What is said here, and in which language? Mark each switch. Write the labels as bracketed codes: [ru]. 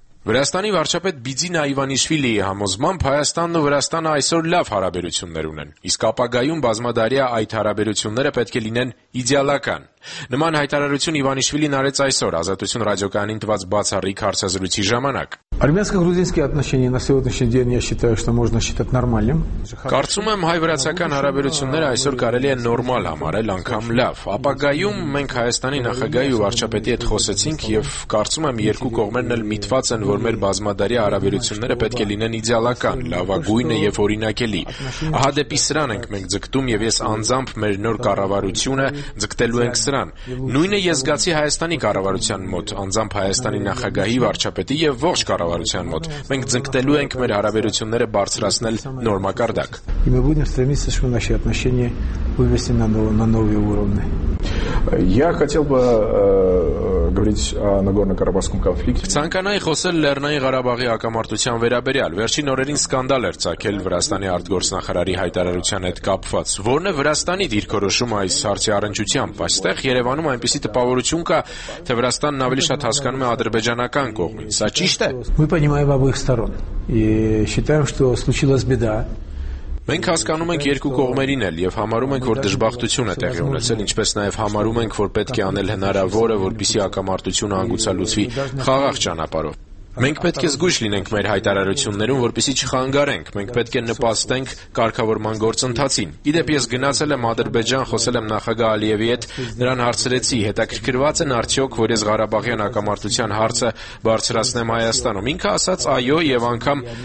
[hy] Վրաստանի վարչապետ Բիդզին Այվանիշվիլիի համոզմամբ Հայաստանն ու Վրաստանը այսօր լավ հարաբերություններ ունեն, իսկ ապագայում բազմադարյա այդ հարաբերությունները պետք է լինեն իդեալական։ Նման հայտարարություն Իվանիշվիլին արեց այսօր Ազատություն ռադիոկայանին տված բացառիկ հարցազրույցի ժամանակ։ [ru] Армянско-грузинские отношения на сегодняшний день я считаю, что можно считать нормальным. [hy] Կարծում եմ, հայ-վրացական հարաբերությունները այսօր կարելի է նորմալ համարել, անգամ լավ։ Ապագայում մենք Հայաստանի նախագահի ու վարչապետի հետ խոսեցինք եւ կարծում եմ երկու կողմերն էլ միտված են, որ մեր բազմադարյա հարաբերությունները պետք է լինեն իդեալական, լավագույնը եւ օրինակելի։ Ահա դեպի սրան ենք մենք ձգտում եւ ես անձամբ մեր նոր կառավարությունը ձգտելու ենք սրան։ Նույնը ես զգացի Հայաստանի կառավարության մոտ, անձամբ Հայաստանի նախագահի, վարչապետի եւ ողջ առավելության մոտ մենք ձգտելու ենք մեր հարաբերությունները բարձրացնել նորմակարգ։ [ru] Իմը будем стремиться, чтобы наши отношения вывести на новые уровни. Я хотел бы говорить о Нагорно-Карабахском конфликте. [hy] Ցանկանայի խոսել Լեռնային Ղարաբաղի ակամարտության վերաբերյալ։ Վերջին օրերին սկանդալ էր ցակել Վրաստանի արտգործնախարարի հայտարարության հետ կապված, որն է Վրաստանի դիրքորոշումը այս հարցի առընչությամբ, այստեղ Երևանում այնպեսի տպավորություն կա, թե Վրաստանն ավելի շատ հասկանում է ադրբեջանական կողմին։ Սա ճիշտ է։ [ru] Мы понимаем обоих сторон и считаем, что случилась беда. [hy] Մենք հասկանում ենք երկու կողմերին էլ եւ համարում ենք, որ դժբախտություն է տեղի ունեցել, ինչպես նաեւ համարում ենք, որ պետք է անել հնարավորը, որպեսզի ակամարտությունը անցկացվի խաղաղ ճանապարհով։ Մենք պետք է զգույշ լինենք մեր հայտարարություններում, որպեսզի չխանգարենք։ Մենք պետք է նպաստենք կարգավորման գործընթացին։ Իդեպ ես գնացել եմ Ադրբեջան, խոսել եմ նախագահ Ալիևի հետ, նրան հարցրեցի, հետաքրքրված են արդյոք, որ ես Ղարաբաղյան ակամարտության հարցը բարձրացնեմ Հայաստանում։ Ինքը ասաց այո եւ անգամ